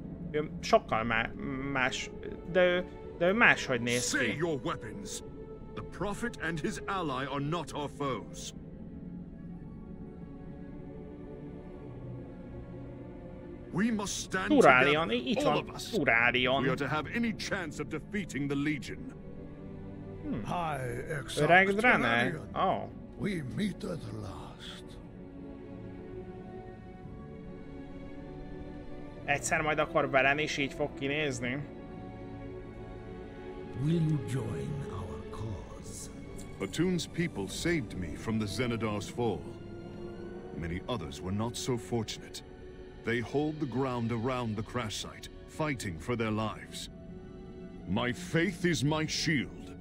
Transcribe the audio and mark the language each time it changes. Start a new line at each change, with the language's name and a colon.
Hungarian: Ő sokkal más, de ő máshogy néz ki.
English: Say your weapons. The Prophet and his ally are not our foes. We must stand Turalion. Together, all of us. Turalion. We are to have any chance of defeating the Legion. Hi, Turalion. Oh. We meet at last.
Hungarian: Egyszer majd akkor velem is így fog kinézni.
English: Will you join our cause? Atun's people saved me from the Zenadar's fall. Many others were not so fortunate. They hold the ground around the crash site, fighting for their lives. My faith is my shield.